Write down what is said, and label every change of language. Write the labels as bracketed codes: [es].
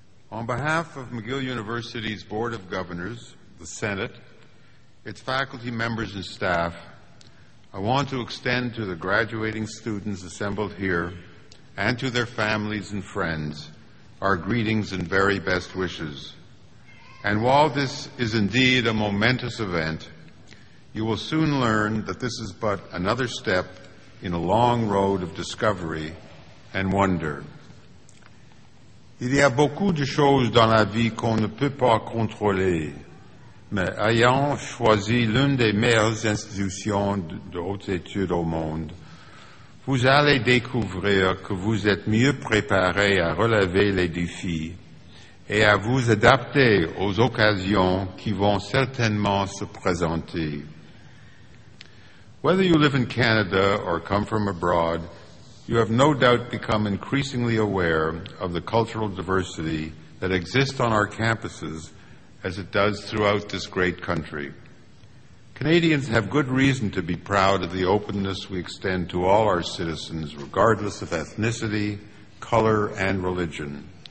[en] On behalf of McGill University's Board of Governors, the Senate, its faculty members and staff, I want to extend to the graduating students assembled here and to their families and friends our greetings and very best wishes. And while this is indeed a momentous event, you will soon learn that this is but another step in a long road of discovery and wonder. [fr] Il y a beaucoup de choses dans la vie qu'on ne peut pas contrôler, mais ayant choisi l'une des meilleures institutions de haute étude au monde, vous allez découvrir que vous êtes mieux préparé à relever les défis et à vous adapter aux occasions qui vont certainement se présenter. [en] Whether you live in Canada or come from abroad, you have no doubt become increasingly aware of the cultural diversity that exists on our campuses as it does throughout this great country. Canadians have good reason to be proud of the openness we extend to all our citizens, regardless of ethnicity, color, and religion.